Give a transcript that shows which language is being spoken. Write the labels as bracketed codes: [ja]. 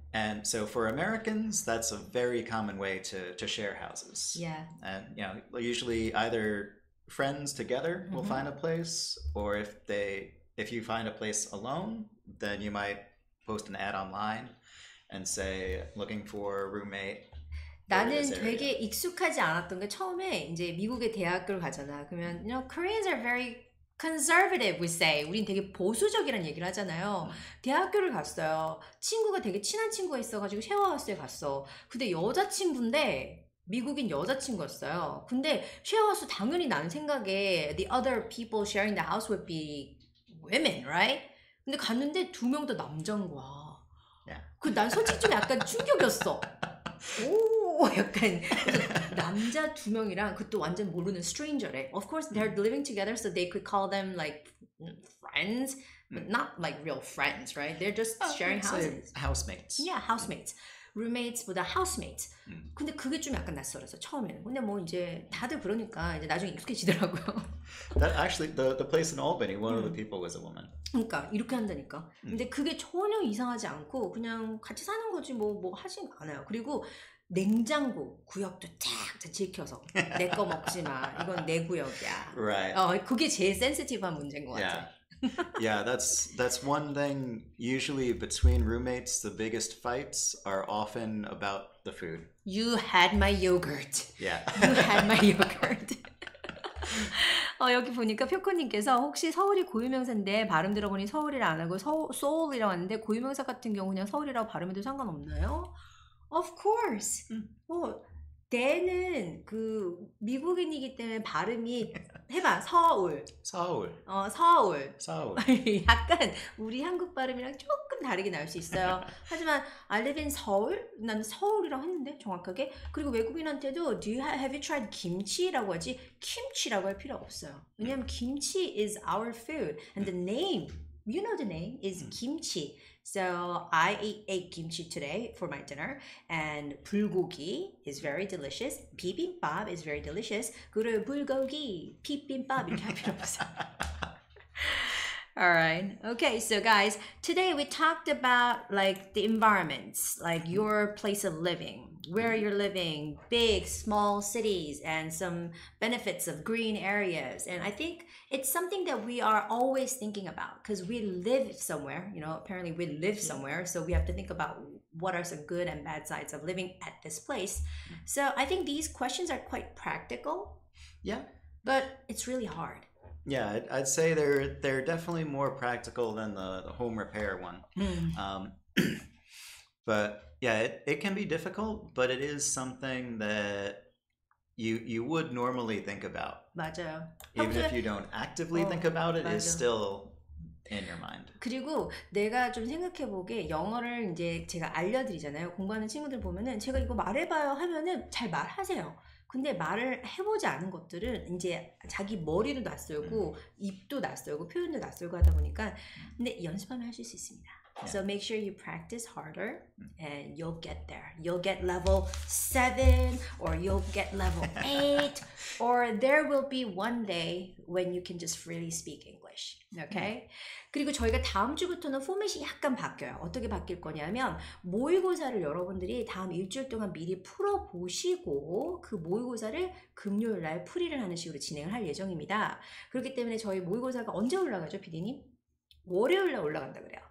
[en] And so for Americans, that's a very common way to share houses. Yeah. And, you know, usually either friends together mm-hmm. will find a place, or if you find a place alone, then you might post an ad online and say, looking for a roommate. [ko] 나는 되게 익숙하지 않았던 게 처음에 이제 미국에 대학을 가잖아. 그러면, [en] you know, Koreans are very conservative, we say. [ko] 우린 되게 보수적이라는 얘기를 하잖아요. 대학교를 갔어요. 친구가 되게 친한 친구가 있어가지고 쉐어하우스에 갔어. 근데 여자친구인데 미국인 여자친구였어요. 근데 쉐어하우스 당연히 나는 생각에 [en] the other people sharing the house would be women, right? [ko] 근데 갔는데 두 명 다 남자인 거야. 그 난 솔직히 좀 약간 충격이었어. 오 약간 남자 두 명이랑 그 또 완전 모르는 stranger래. [en] Of course they're living together, so they could call them like friends, but not like real friends, right? They're just sharing houses. Housemates. Yeah, housemates. Roommates보다 housemates. [ko] 근데 그게 좀 약간 낯설어서 처음에는. 근데 뭐 이제 다들 그러니까 이제 나중에 익숙해지더라고요. [en] That actually the place in Albany, one of the people was a woman. [ko] 그러니까 이렇게 한다니까. 근데 그게 전혀 이상하지 않고 그냥 같이 사는 거지 뭐 하진 않아요. 그리고 냉장고 구역도 쫙 지켜서 내 거 먹지 마. 이건 내 구역이야. [en] Right. [ko] 그게 제일 sensitive한 문제인 것 같아. [en] Yeah. Yeah, that's one thing. Usually between roommates, the biggest fights are often about the food. You had my yogurt. Yeah. You had my yogurt. [ko] 여기 보니까 표코님께서 혹시 서울이 고유명사인데 발음 들어보니 서울이라 안 하고 소울이라고 하는데 고유명사 같은 경우 그냥 서울이라고 발음해도 상관없나요? [en] Of course. [ko] 뭐 대는 그 미국인이기 때문에 발음이 해봐 서울. 서울. 서울. 서울. 약간 우리 한국 발음이랑 조금 다르게 나올 수 있어요. 하지만 [en] I live in 서울. [ko] 난 서울이라고 했는데 정확하게. 그리고 외국인한테도 [en] Do you have you tried [ko] 김치라고 하지? 김치라고 할 필요 없어요. 왜냐면 [en] 김치 is our food and the name. You know the name is 김치. So I ate kimchi today for my dinner, and 불고기 is very delicious. 비빔밥 is very delicious. [ko] 그리고 불고기 비빔밥 이렇게 할 필요 없어. [en] All right. Okay, so guys, today we talked about like the environments, like your place of living, where you're living, big, small cities, and some benefits of green areas. And I think it's something that we are always thinking about because we live somewhere, you know, apparently we live somewhere. So we have to think about what are some good and bad sides of living at this place. So I think these questions are quite practical. Yeah. But it's really hard. Yeah, I'd say they're definitely more practical than the home repair one. but yeah, it can be difficult, but it is something that you would normally think about. [ko] 맞아요. [en] Even if you don't actively think about it, it's still in your mind. [ko] 그리고 내가 좀 생각해 보게 영어를 이제 제가 알려드리잖아요. 공부하는 친구들 보면은 제가 이거 말해봐요 하면은 잘 말하세요. 근데 말을 해보지 않은 것들은 이제 자기 머리도 낯설고 입도 낯설고 표현도 낯설고 하다 보니까 근데 연습하면 할 수 있습니다. [en] So make sure you practice harder and you'll get there. You'll get level 7 or you'll get level 8 or there will be one day when you can just freely speak English. Okay? [ko] 그리고 저희가 다음 주부터는 포맷이 약간 바뀌어요. 어떻게 바뀔 거냐면 모의고사를 여러분들이 다음 일주일 동안 미리 풀어보시고 그 모의고사를 금요일날 풀이를 하는 식으로 진행을 할 예정입니다. 그렇기 때문에 저희 모의고사가 언제 올라가죠, 피디님? 월요일날 올라간다 그래요.